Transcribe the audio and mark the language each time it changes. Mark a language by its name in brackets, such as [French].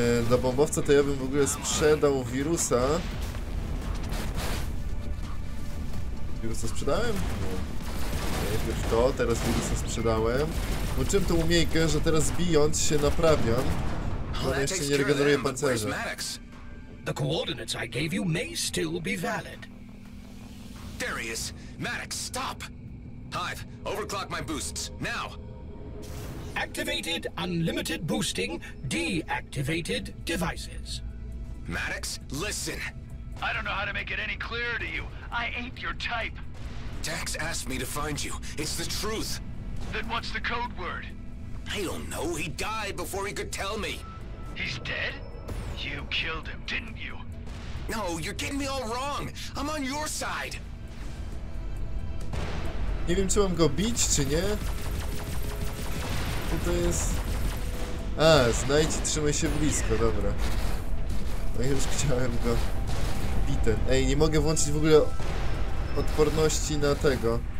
[Polish] Do bombowca to ja bym w ogóle sprzedał wirusa. Wirusa sprzedałem? No. Najpierw to, teraz wirusa sprzedałem. No czym tą umiejkę, że teraz bijąc się naprawiam? On jeszcze nie regeneruje pancerza. [English] The coordinates I gave you may still be valid. Darius, Maddox, stop! Hive, overclock my boosts, now! Activated unlimited boosting, deactivated devices. Maddox, listen! I don't know how to make it any clearer to you. I ain't your type. Dax asked me to find you. It's the truth. Then what's the code word? I don't know. He died before he could tell me. He's dead? You killed him, didn't you? No, you're getting me all wrong. I'm on your side. [Polish] Nie wiem, czy mam go bić, czy nie. Co to jest? A, znajdź, trzymaj się blisko, dobra. No już chciałem go bite. Ej, nie mogę włączyć w ogóle odporności na tego.